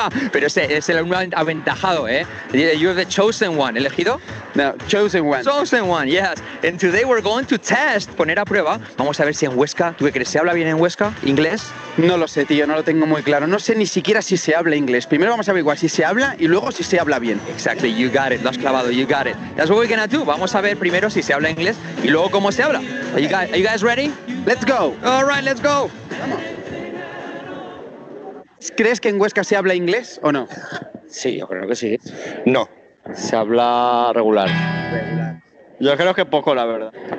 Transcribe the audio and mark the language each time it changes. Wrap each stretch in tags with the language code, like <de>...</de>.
<es>Pero es el alumno aventajado, ¿eh?</es> <en>You're the chosen one,</en> <es>¿elegido?</es> <en>No, chosen one. Chosen one, yes. And today we're going to test,</en> <es>poner a prueba. Vamos a ver si en Huesca, ¿tú qué crees? ¿Se habla bien en Huesca? ¿Inglés? No lo sé, tío, no lo tengo muy claro. No sé ni siquiera si se habla inglés. Primero vamos a averiguar si se habla y luego si se habla bien.</es> <en>Exactly, you got it,</en> <es>lo has clavado,</es> <en>you got it. That's what we're gonna do.</en> <es>Vamos a ver primero si se habla inglés y luego cómo se habla.</es> <en>Are you guys ready? Let's go. All right, let's go.</en> <es>Vamos. ¿Crees que en Huesca se habla inglés o no? Sí, yo creo que sí. No. Se habla regular. Yo creo que poco, la verdad.</es>